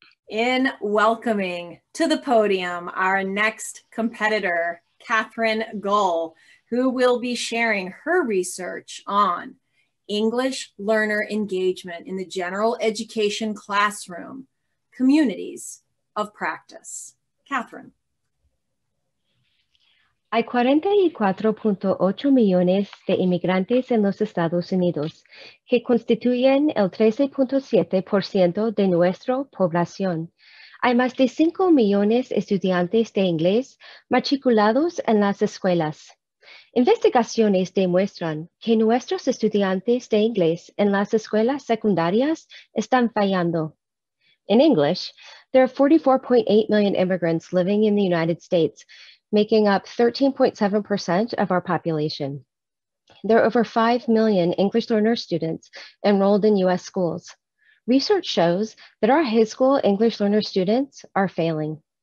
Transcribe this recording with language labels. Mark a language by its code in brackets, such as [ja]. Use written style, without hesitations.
[en] In welcoming to the podium our next competitor, Catherine Gull, who will be sharing her research on English learner engagement in the general education classroom, communities of practice. Catherine. [es] Hay 44.8 millones de inmigrantes en los Estados Unidos, que constituyen el 13.7% de nuestra población. Hay más de 5 millones de estudiantes de inglés matriculados en las escuelas. Investigaciones demuestran que nuestros estudiantes de inglés en las escuelas secundarias están fallando. [en] In English, there are 44.8 million immigrants living in the United States, making up 13.7% of our population. There are over 5 million English learner students enrolled in US schools. Research shows that our high school English learner students are failing.